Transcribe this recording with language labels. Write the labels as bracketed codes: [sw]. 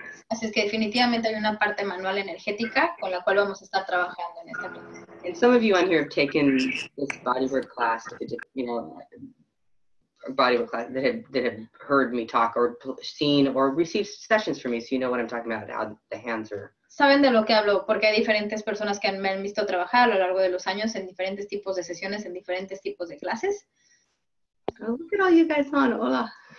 [es] Así es que definitivamente hay una parte manual energética con la cual vamos a estar trabajando en esta clase. [en] And some of you on here have taken this bodywork class, that have heard me talk or seen or received sessions from me, so you know what I'm talking about, how the hands are. [es] Saben de lo que hablo, porque hay diferentes personas que me han visto trabajar a lo largo de los años en diferentes tipos de sesiones, en diferentes tipos de clases. [en] Oh, look at all you guys on, hola.